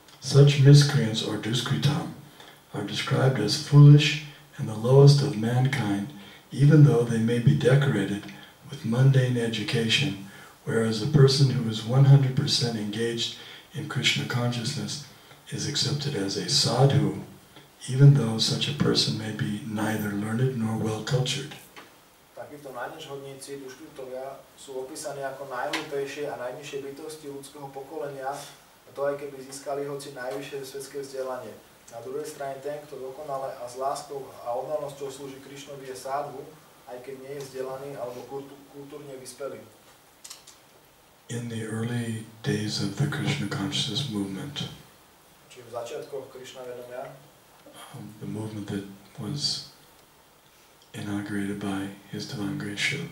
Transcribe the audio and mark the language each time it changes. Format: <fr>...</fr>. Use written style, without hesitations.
<en>Such miscreants or Dushkritam are described as foolish and the lowest of mankind, even though they may be decorated with mundane education, whereas a person who is 100% engaged in Krishna consciousness is accepted as a sadhu, even though such a person may be neither learned nor well-cultured.</en> <sk>Takíto najnižhodníci duškritovia sú opísaní ako najhlúpejšie a najnižšie bytosti ľudského pokolenia, a to aj keby získali hoci najvyššie svetské vzdelanie. Na druhej strane ten, kto dokonale a s láskou a oddanosťou slúži Krišnovi, je sadhu, aj keď nie je vzdelaný alebo kultúrne vyspelý.</sk> <en>In the early days of the Krishna consciousness movement, the movement that was inaugurated by His Divine Grace Srila</en>